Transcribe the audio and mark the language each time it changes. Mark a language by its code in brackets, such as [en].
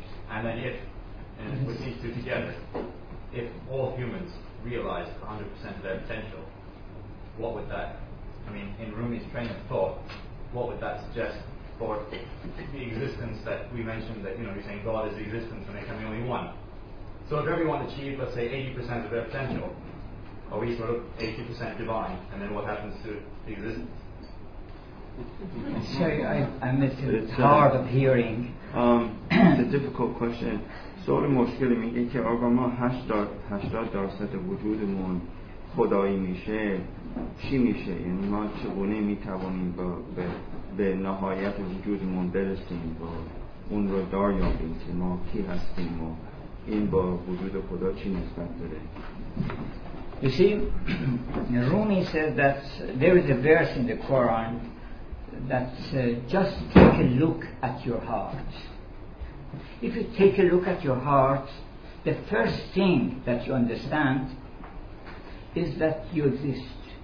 [en] And then if, and put these two together, if all humans realized 100% of their potential, what would that, I mean, in Rumi's train of thought, what would that suggest for the existence that we mentioned, that, you know, you're saying God is existence and there can be only one. So if everyone achieved, let's say, 80% of their potential, are we sort of 80% divine? And then what happens to the existence? Sorry, I missed it. It's hard of hearing. It's a difficult question. [fa] سوال مشکلی میگه که آقا ما 80% وجودمون خدایی میشه چی میشه؟ یعنی ما چگونه میتوانیم به نهایت وجودمون برسیم و اون رو دریابیم که ما کی هستیم و این با وجود خدا چی نسبت داره؟ [en] You see, Rumi says that there is a verse in the Quran that just take a look at your heart. If you take a look at your heart, the first thing that you understand is that you exist.